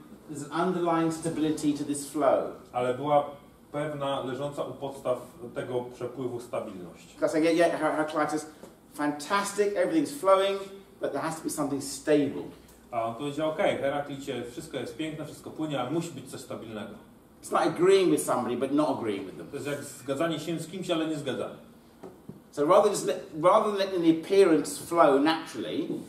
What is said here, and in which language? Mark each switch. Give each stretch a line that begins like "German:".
English: There's an underlying stability to this flow.
Polish: Ale była pewna leżąca u podstaw tego przepływu stabilność.
English: Heraclitus, fantastic, everything's flowing, but there has to be something stable.
Polish: A on powiedział, okej, okay, Heraklicie, wszystko jest piękne, wszystko płynie, ale musi być coś stabilnego.
English: It's like agreeing with somebody, but not agreeing with them.
Polish: To jest jak zgadzanie się z kimś, ale nie zgadzanie.
English: So rather than letting the appearance flow naturally,